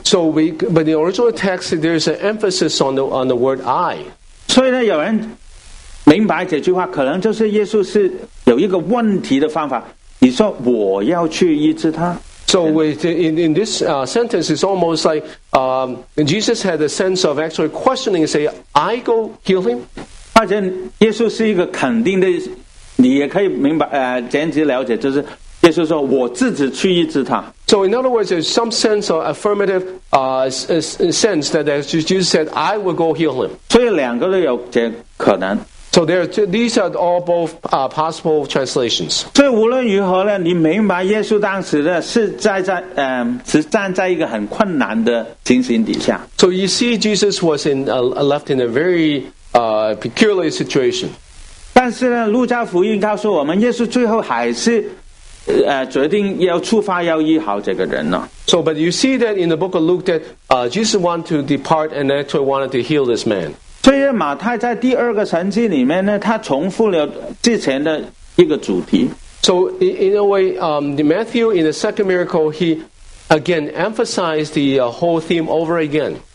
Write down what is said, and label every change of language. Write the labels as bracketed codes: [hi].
[en] So but the original text there's an emphasis on the word "I." [zh] 所以呢，有人明白这句话，可能就是耶稣是有一个问题的方法。你说我要去医治他。 [en] So in this sentence, it's almost like Jesus had a sense of actually questioning, say, I go heal him? [zh] 而且耶稣是一个肯定的，你也可以明白简直了解，就是耶稣说我自己去医治他。 [en] So in other words, there's some sense of affirmative sense that Jesus said, I will go heal him. [zh] 所以两个都有这可能。 [en] So these are all both possible translations. [zh] 所以无论如何呢，你明白耶稣当时的是是站在一个很困难的情形底下。 [en] So you see, Jesus was left in a very peculiar situation. [zh] 但是呢，路加福音告诉我们，耶稣最后还是决定要出发要医好这个人呢。 [en] So but you see that in the book of Luke that Jesus wanted to depart and actually wanted to heal this man. [zh] 所以马太在第二个神迹里面呢，他重复了之前的一个主题。 [en] So in a way, Matthew in the second miracle, he again emphasized the whole theme over again.